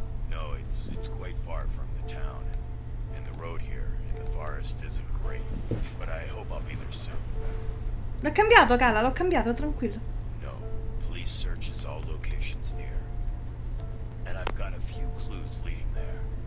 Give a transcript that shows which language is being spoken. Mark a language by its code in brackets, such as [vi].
[en] No, it's quite far from the town. And the road here in the forest isn't great, but I hope I'll be there soon. [it] L'ho cambiato, Gala, l'ho cambiato, tranquillo. [en] No, police searches all locations near. And I've got a few clues leading there.